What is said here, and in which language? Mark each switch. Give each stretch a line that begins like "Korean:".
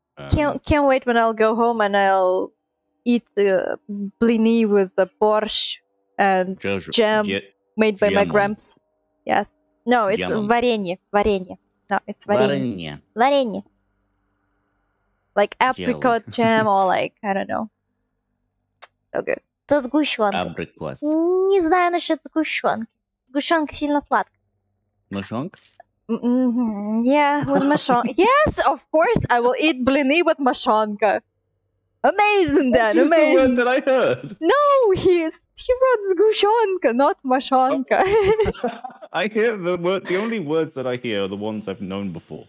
English: Can't wait when I'll go home and I'll eat the blini with the borscht and jam made by my gramps. Yes. No, it's варенье. Варенье. No, it's варенье. Варенье. Like apricot jam or like, I don't know. Okay.
Russian: То сгущенка. Абрикос. Не знаю насчет сгущенки. Сгущенка сильно сладкая. Мышонка?
English: Mm-hmm. Yeah, with mashonka. Yes, of course, I will eat blini with mashonka. Amazing, Dan, amazing. This is the one that I heard. No, he wrote zgushonka, not mashonka. I hear the only words that I hear are the ones I've known before.